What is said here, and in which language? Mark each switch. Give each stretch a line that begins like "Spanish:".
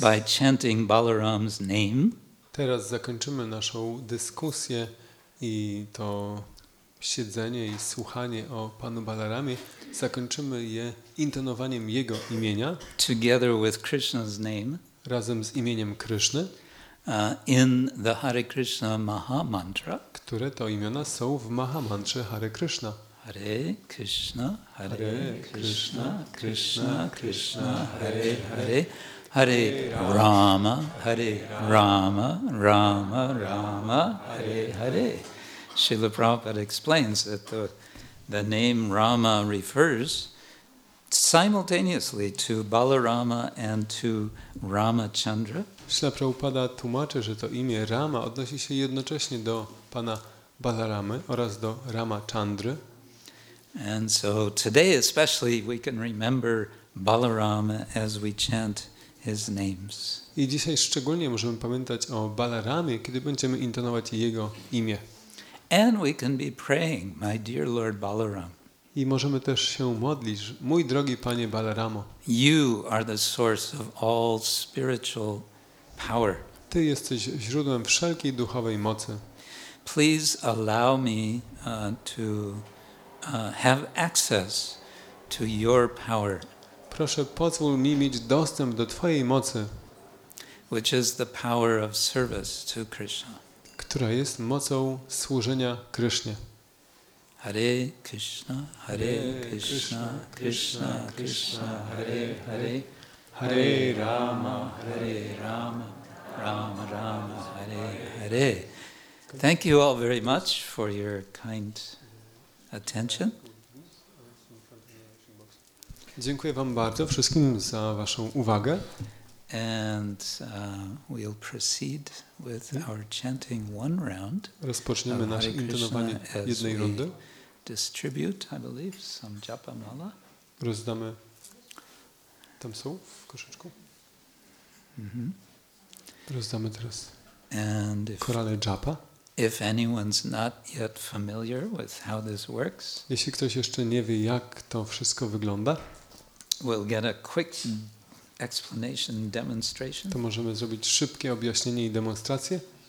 English: by chanting Balaram's name.
Polish: Teraz zakończymy naszą dyskusję i to siedzenie i słuchanie o Panu Balaramie. Zakończymy je intonowaniem jego imienia.
English: Together with Krishna's name.
Polish: Razem z imieniem Kryszny.
English: In the Hare Krishna Maha Mantra.
Polish: Które to imiona są w Maha Mantrze Hare Krishna.
Sanskrit: Hare Krishna, Hare Krishna, Krishna Krishna, Hare Hare, Hare Rama, Hare Rama, Rama Rama, Hare Hare.
English: Srila Prabhupada explains that the name Rama refers simultaneously to Balarama and to Ramachandra.
Polish: Srila Prabhupada tłumaczy, że to imię Rama odnosi się jednocześnie do Pana Balaramy oraz do Ramachandry.
English: And so today especially we can remember Balarama as we chant his names.
Polish: I dzisiaj szczególnie możemy pamiętać o Balaramie, kiedy będziemy intonować jego imię.
English: And we can be praying, my dear Lord Balaram.
Polish: I możemy też się modlić, mój drogi Panie Balaramo.
English: You are the source of all spiritual power.
Polish: Ty jesteś źródłem wszelkiej duchowej mocy.
English: Please allow me to have access to your power.
Polish: Proszę, pozwól mi mieć dostęp do Twojej mocy,
English: which is the power of service to Krishna.
Polish: Która jest mocą służenia Krishnie.
Sanskrit: Hare Krishna, Hare Krishna, Krishna Krishna, Hare Hare, Hare Rama, Hare Rama, Rama Rama, Hare Hare.
English: Thank you all very much for your kind attention.
Polish: Dziękuję wam bardzo wszystkim za waszą uwagę.
English: And we'll proceed with our chanting one round.
Polish: Rozpoczniemy nasze intonowanie jednej rundy.
English: Distribute, I believe, some japa mala.
Polish: Rozdamy. Tam są w koszyczku. Rozdamy teraz.
English: And
Polish: korale japa.
English: If anyone's not yet familiar with how this works,
Polish: jeśli ktoś jeszcze nie wie, jak to wszystko wygląda,
English: we'll get a quick explanation demonstration.
Polish: To możemy zrobić szybkie objaśnienie i demonstrację.